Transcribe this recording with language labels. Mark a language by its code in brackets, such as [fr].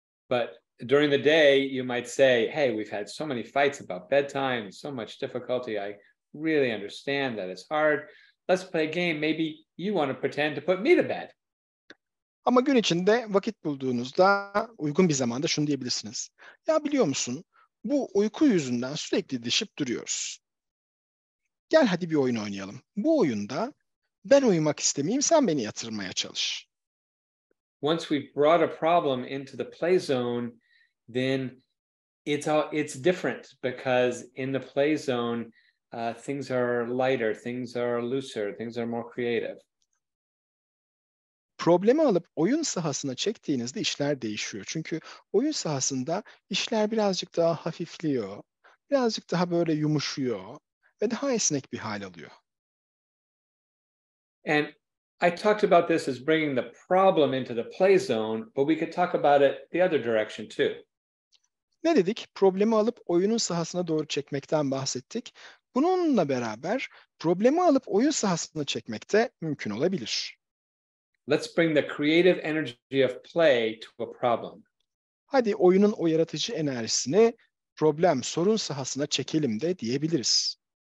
[en] But during the day you might say, "Hey, we've had so many fights about bedtime, so much difficulty. I really understand that it's hard. Let's play a game. Maybe you want to pretend to put me to bed." [tr] Ama gün içinde vakit bulduğunuzda uygun bir zamanda şunu diyebilirsiniz. Ya biliyor musun? Bu uyku yüzünden sürekli didişip duruyoruz. Gel hadi bir oyun oynayalım. Bu oyunda Ben uyumak istemeyeyim, sen beni yatırmaya çalış. [en] Once we've brought a problem into the play zone, then it's different because in the play zone things are lighter, things are looser, things are more creative. [tr] Problemi alıp oyun sahasına çektiğinizde işler değişiyor. Çünkü oyun sahasında işler birazcık daha hafifliyor, birazcık daha böyle yumuşuyor ve daha esnek bir hal alıyor. [en] And I talked about this as bringing the problem into the play zone, but we could talk about it the other direction too. [tr] Ne dedik? Problemi alıp oyunun sahasına doğru çekmekten bahsettik. Bununla beraber problemi alıp oyun sahasına çekmek de mümkün olabilir. [en] Let's bring the creative energy of play to a problem. [tr] Hadi oyunun o yaratıcı enerjisini problem, sorun sahasına çekelim de diyebiliriz.